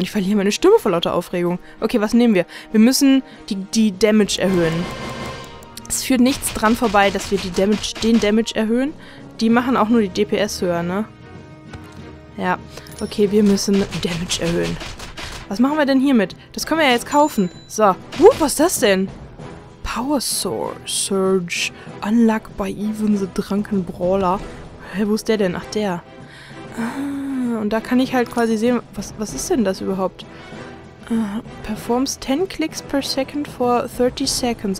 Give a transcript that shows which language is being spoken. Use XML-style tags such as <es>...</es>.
<de>Und ich verliere meine Stimme vor lauter Aufregung. Okay, was nehmen wir? Wir müssen die Damage erhöhen. Es führt nichts dran vorbei, dass wir den Damage erhöhen. Die machen auch nur die DPS höher, ne? Ja. Okay, wir müssen Damage erhöhen. Was machen wir denn hiermit? Das können wir ja jetzt kaufen. So. Was ist das denn? Power Surge.</de> <en>Unlock by even the drunken brawler.</en> <de>Hä, wo ist der denn? Ach, der. Und da kann ich halt quasi sehen, was ist denn das überhaupt?</de> <en>Performs 10 clicks per second for 30 seconds.</en>